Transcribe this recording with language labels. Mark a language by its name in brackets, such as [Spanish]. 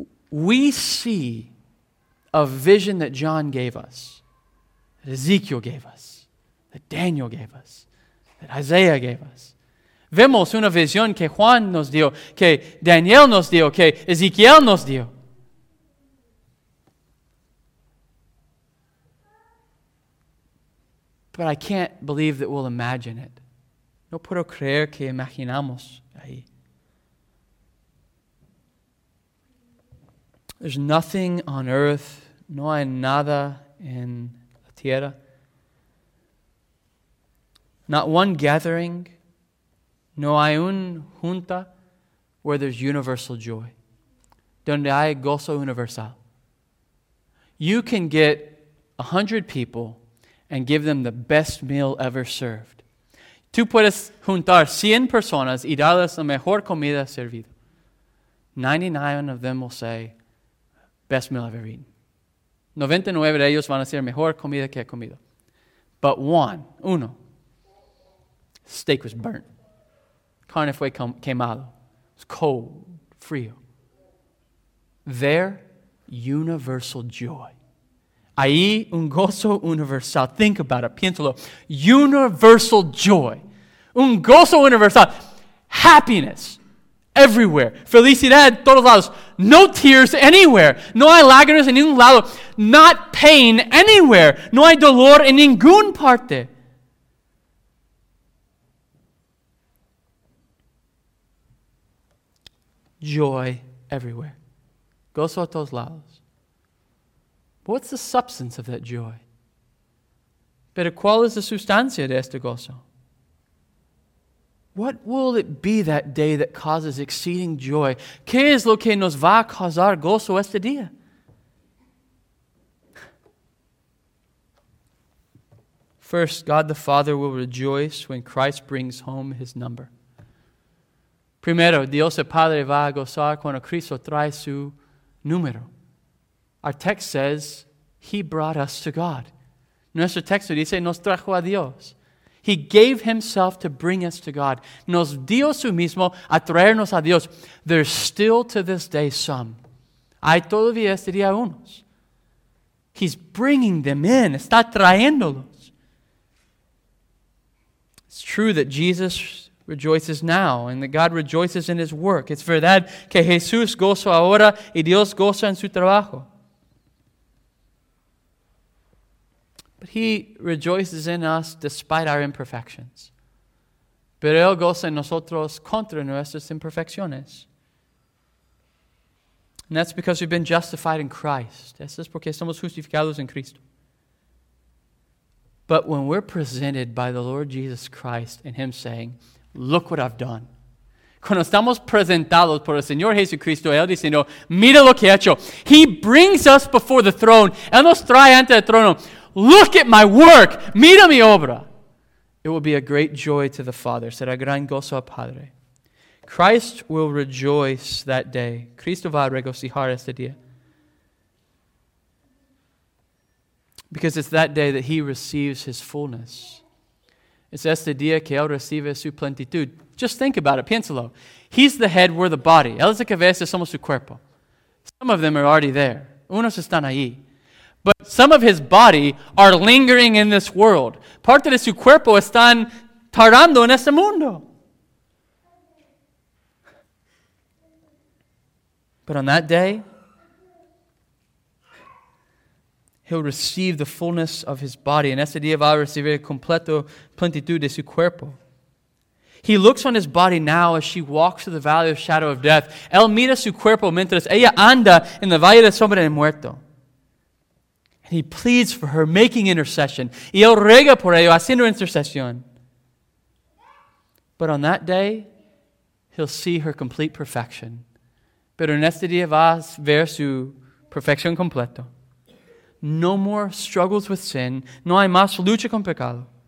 [English] We see a vision that John gave us, that Ezekiel gave us, that Daniel gave us, that Isaiah gave us. [Spanish] Vemos una visión que Juan nos dio, que Daniel nos dio, que Ezequiel nos dio. [English] But I can't believe that we'll imagine it. [Spanish] No puedo creer que imaginamos ahí. [English] There's nothing on earth, [Spanish] no hay nada en la tierra. [English] Not one gathering, [Spanish] no hay un junta [English] where there's universal joy. [Spanish] Donde hay gozo universal. [English] You can get 100 people and give them the best meal ever served. [Spanish] Tú puedes juntar 100 personas y darles la mejor comida servida. [English] 99 of them will say, best meal I've ever eaten. [Spanish] 99 de ellos van a ser mejor comida que he comido. [English] But one, uno, steak was burnt. [Spanish] Carne fue quemado. [English] It's cold, [Spanish] frío. [English] There, universal joy. [Spanish] Ahí, un gozo universal. [English] Think about it, [Spanish] piénsalo. [English] Universal joy. [Spanish] Un gozo universal. [English] Happiness. Everywhere. [Spanish] Felicidad, todos lados. [English] No tears anywhere. [Spanish] No hay lágrimas en ningún lado. [English] Not pain anywhere. [Spanish] No hay dolor en ningún parte. [English] Joy everywhere. [Spanish] Gozo a todos lados. [English] What's the substance of that joy? [Spanish] Pero ¿cuál es la sustancia de este gozo? [English] What will it be that day that causes exceeding joy? [Spanish] ¿Qué es lo que nos va a causar gozo este día? [English] First, God the Father will rejoice when Christ brings home his number. [Spanish] Primero, Dios el Padre va a gozar cuando Cristo trae su número. [English] Our text says, he brought us to God. [Spanish] Nuestro texto dice, nos trajo a Dios. [English] He gave himself to bring us to God. [Spanish] Nos dio su mismo a traernos a Dios. [English] There's still to this day some. [Spanish] Hay todavía este día unos. [English] He's bringing them in. Está trayéndolos. It's true that Jesus rejoices now and that God rejoices in his work. [Spanish] It's verdad que Jesús goza ahora y Dios goza en su trabajo. [English] But he rejoices in us despite our imperfections. [Spanish] Pero él goza en nosotros contra nuestras imperfecciones. [English] And that's because we've been justified in Christ. [Spanish] Eso es porque somos justificados en Cristo. [English] But when we're presented by the Lord Jesus Christ and him saying, look what I've done. [Spanish] Cuando estamos presentados por el Señor Jesucristo, él diciendo, mira lo que he hecho. [English] He brings us before the throne. [Spanish] Él nos trae ante el trono. [English] Look at my work. [Spanish] Mira mi obra. [English] It will be a great joy to the Father. [Spanish] Será gran gozo al Padre. Christ will rejoice that day. Cristo va a regocijar este día. [English] Because it's that day that he receives his fullness. [Spanish] It's este día que él recibe su plenitud. [English] Just think about it. [Spanish] Piénsalo. [English] He's the head, we're the body. [Spanish] Él es la cabeza, somos su cuerpo. [English] Some of them are already there. [Spanish] Unos están ahí. [English] But some of his body are lingering in this world. [Spanish] Parte de su cuerpo están tardando en este mundo. [English] But on that day, he'll receive the fullness of his body. [Spanish] En ese día va a recibir completo plenitud de su cuerpo. [English] He looks on his body now as she walks through the valley of shadow of death. [Spanish] Él mira su cuerpo mientras ella anda en la valle de sombra de muerto. [English] He pleads for her, making intercession. [Spanish] Y él rega por ello, haciendo intercesión. [English] But on that day, he'll see her complete perfection. [Spanish] Pero en este día vas a ver su perfección completa. [English] No more struggles with sin. [Spanish] No hay más lucha con pecado.